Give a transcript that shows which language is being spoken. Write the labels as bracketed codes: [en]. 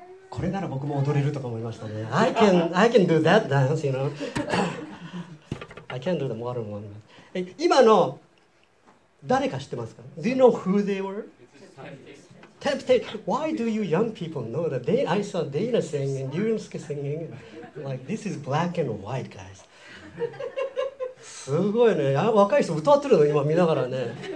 [ja] これなら僕も踊れるとか思いましたね。 [en] I can do that dance, you know. I can do the modern one. [ja] 今の誰か知ってますか? [en] Do you know who they were? Temptation. Why do you young people know that? I saw Dana singing, Yurinsuke singing. Like, this is black and white, guys. [ja] すごいね。若い人歌ってるの今見ながらね。